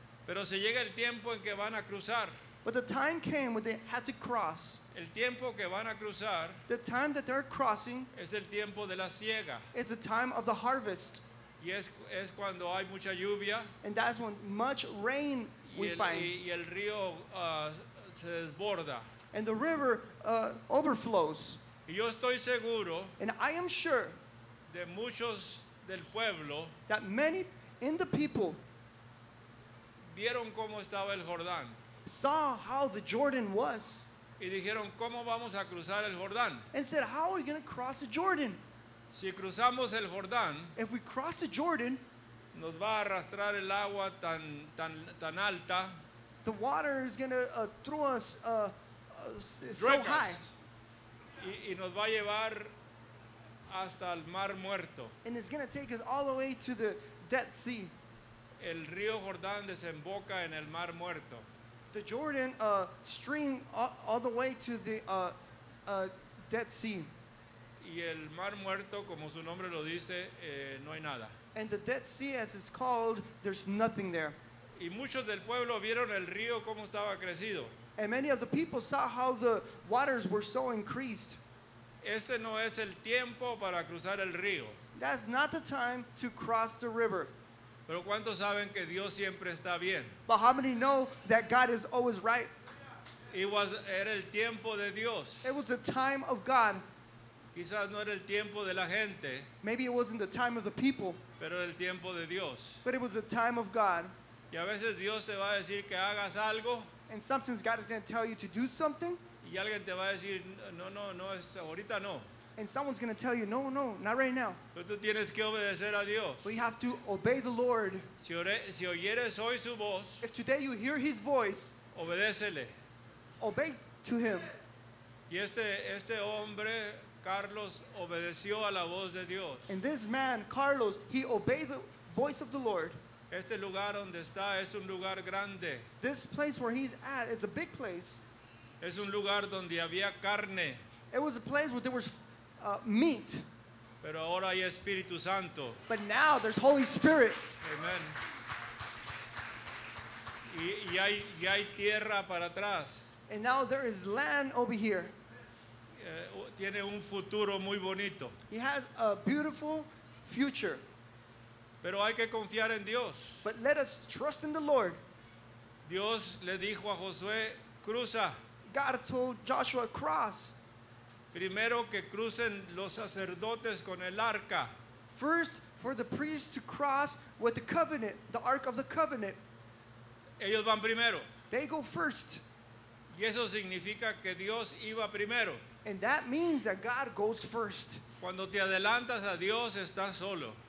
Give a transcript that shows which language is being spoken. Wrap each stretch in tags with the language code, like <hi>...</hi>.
<es>Pero se llega el tiempo en que van a cruzar.</es> <en>But the time came when they had to cross.</en> <es>El tiempo que van a cruzar,</es> <en>the time that they're crossing,</en> <es>es el tiempo de la siega.</es> <en>It's the time of the harvest.</en> <es>Y es cuando hay mucha lluvia.</es> <en>And that's when much rain we find.</en> <es>Y el río se desborda.</es> <en>And the river overflows.</en> <es>Y yo estoy seguro,</es> <en>and I am sure,</en> <es>de muchos del pueblo,</es> <en>that many in the people</en> <es>vieron cómo estaba el Jordán,</es> <en>saw how the Jordan was,</en> <es>y dijeron, ¿cómo vamos a cruzar el Jordán?</es> <en>And said, how are we going to cross the Jordan?</en> <es>Si cruzamos el Jordán,</es> <en>if we cross the Jordan,</en> <es>nos va a arrastrar el agua tan tan tan alta,</es> <en>the water is going to throw us so high.</en> <es>Y nos va a llevar hasta el Mar Muerto.</es> <en>And it's going to take us all the way to the Dead Sea.</en> <es>El río Jordán desemboca en el Mar Muerto.</es> <en>The Jordan stream all the way to the Dead Sea.</en> <es>Y el Mar Muerto, como su nombre lo dice, no hay nada.</es> <en>And the Dead Sea, as it's called, there's nothing there.</en> <es>Y muchos del pueblo vieron el río cómo estaba crecido.</es> <en>And many of the people saw how the waters were so increased.</en> <es>ese no es el tiempo para cruzar el río.</es> <en>That's not the time to cross the river.</en> <es>Pero ¿cuántos saben que Dios siempre está bien?</es> <en>But how many know that God is always right?</en> <es>Era el tiempo de Dios.</es> <en>It was the time of God.</en> <es>Quizás no era el tiempo de la gente.</es> <en>Maybe it wasn't the time of the people.</en> <es>Pero era el tiempo de Dios.</es> <en>But it was the time of God.</en> <es>Y a veces Dios te va a decir que hagas algo.</es> <en>And sometimes God is going to tell you to do something.</en> <es>Y alguien te va a decir, no, es ahorita no.</es> <en>And someone's going to tell you, no, not right now.</en> <es>Pero tú tienes que obedecer a Dios.</es> <en>But you have to obey the Lord.</en> <es>Si oyeres hoy su voz.</es> <en>If today you hear his voice.</en> <es>Obedécele.</es> <en>Obey to him.</en> <es>Y este hombre, Carlos, obedeció a la voz de Dios.</es> <en>And this man, Carlos, he obeyed the voice of the Lord.</en> <es>Este lugar donde está es un lugar grande.</es> <en>This place where he's at, it's a big place.</en> <es>Es un lugar donde había carne.</es> <en>It was a place where there was meat.</en> <es>Pero ahora hay Espíritu Santo.</es> <en>But now there's Holy Spirit.</en> <es>Amen. Y hay tierra para atrás.</es> <en>And now there is land over here.</en> <es>Tiene un futuro muy bonito.</es> <en>He has a beautiful future.</en> <es>Pero hay que confiar en Dios.</es> <en>But let us trust in the Lord.</en> <es>Dios le dijo a Josué, cruza.</es> <en>God told Joshua, cross.</en> <es>Primero que crucen los sacerdotes con el arca.</es> <en>First, for the priests to cross with the covenant, the ark of the covenant.</en> <es>Ellos van primero.</es> <en>They go first.</en> <es>Y eso significa que Dios iba primero.</es> <en>And that means that God goes first.</en> <es>Cuando te adelantas a Dios, estás solo.</es>